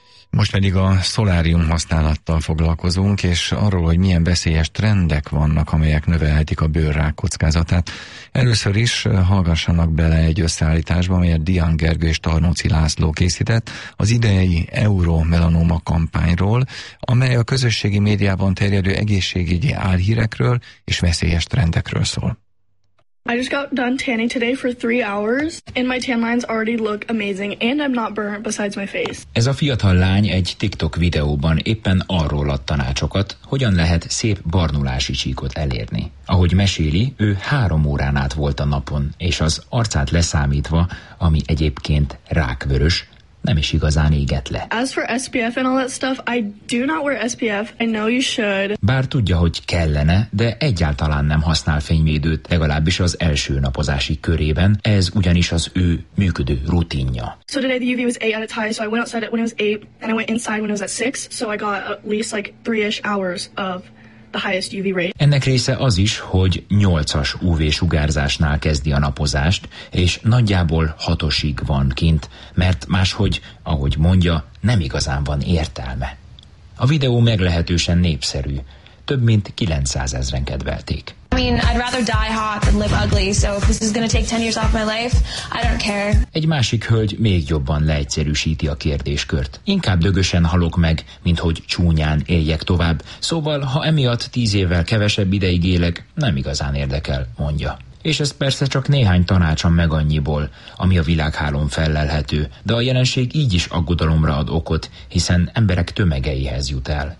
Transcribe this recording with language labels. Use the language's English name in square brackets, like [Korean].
[Hungarian] Most pedig a szolárium használattal foglalkozunk, és arról, hogy milyen veszélyes trendek vannak, amelyek növelhetik a bőrrák kockázatát. Először is hallgassanak bele egy összeállításba, amelyet Dián Gergő és Tarnóczi László készített az idei Euromelanoma kampányról, amely a közösségi médiában terjedő egészségügyi álhírekről és veszélyes trendekről szól. [English] I just got done tanning today for 3 hours, and my tan lines already look amazing, and I'm not burnt besides my face. [Hungarian] Ez a fiatal lány egy TikTok videóban éppen arról ad tanácsokat, hogyan lehet szép barnulási csíkot elérni. Ahogy meséli, ő 3 órán át volt a napon, és az arcát leszámítva, ami egyébként rákvörös, nem is igazán égett le. [English] As for SPF and all that stuff, I do not wear SPF. I know you should. [Hungarian] Bár tudja, hogy kellene, de egyáltalán nem használ fényvédőt, legalábbis az első napozási körében. Ez ugyanis az ő működő rutinja. [English] So today the UV was 8 at its highest, so I went outside when it was 8, and I went inside when it was at 6, so I got at least like 3-ish hours of the highest UV rate. [Hungarian] Ennek része az is, hogy 8-as UV-sugárzásnál kezdi a napozást, és nagyjából 6-osig van kint, mert máshogy, ahogy mondja, nem igazán van értelme. A videó meglehetősen népszerű. Több mint 900 ezeren kedvelték. [English] I mean, I'd rather die hot than live ugly, so if this is gonna take 10 years off my life, I don't care. [Hungarian] Egy másik hölgy még jobban leegyszerűsíti a kérdéskört. Inkább dögösen halok meg, mint hogy csúnyán éljek tovább, szóval ha emiatt 10 évvel kevesebb ideig élek, nem igazán érdekel, mondja. És ez persze csak néhány tanácsom meg annyiból, ami a világhálón fellelhető, de a jelenség így is aggodalomra ad okot, hiszen emberek tömegeihez jut el.